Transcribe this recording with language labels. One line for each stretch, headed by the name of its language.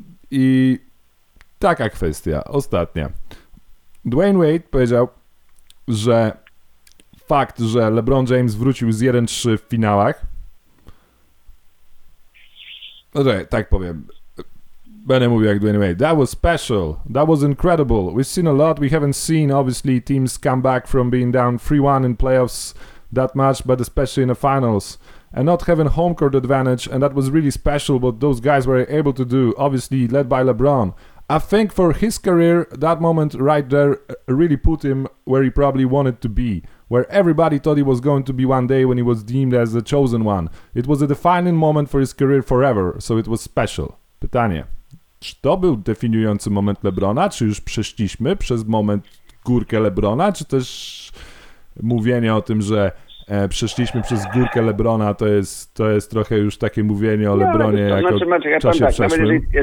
Polish: I taka kwestia. Ostatnia. Dwayne Wade powiedział, że fakt, że LeBron James wrócił z 1-3 w finałach. Okay, tak powiem. Będę mówił jak Dwayne Wade.
English: That was special. That was incredible. We've seen a lot. We haven't seen, obviously, teams come back from being down 3-1 in playoffs that much, but especially in the finals. And not having home court advantage, and that was really special what those guys were able to do, obviously led by LeBron. I think for his career, that moment right there really put him where he probably wanted to be. Where everybody thought he was going to be one day when he was deemed as the chosen one. It was a defining moment for his career forever, so it was special.
Polish: Pytanie. Czy to był definiujący moment LeBrona? Czy już przeszliśmy przez moment górkę LeBrona? Czy też mówienie o tym, że przeszliśmy przez górkę LeBrona, to jest trochę już takie mówienie o LeBronie jako czasie przeszłym?